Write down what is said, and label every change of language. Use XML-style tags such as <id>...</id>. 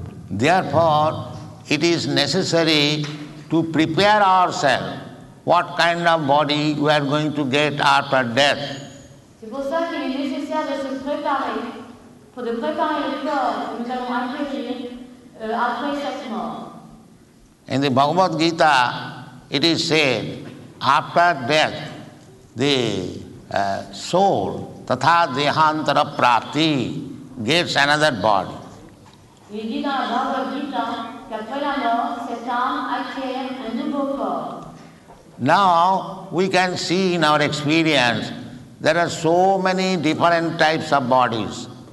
<en>Therefore, it is necessary to prepare ourselves what kind of body we are going to get after death.</en> <fr>C'est pour ça qu'il est nécessaire de se préparer, pour de préparer le corps que nous allons acquérir après cette mort.</fr> <en>In the Bhagavad Gita, it is said, after death, the soul,</en> <sa>tatha dehantara prapti,</sa> <en>gets another body.</en> <fr>Il dit dans le Bhagavad Gita qu'après la mort, cette âme acquiert un nouveau corps.</fr> <en>Now, we can see in our experience, there are so many different types of bodies.</en>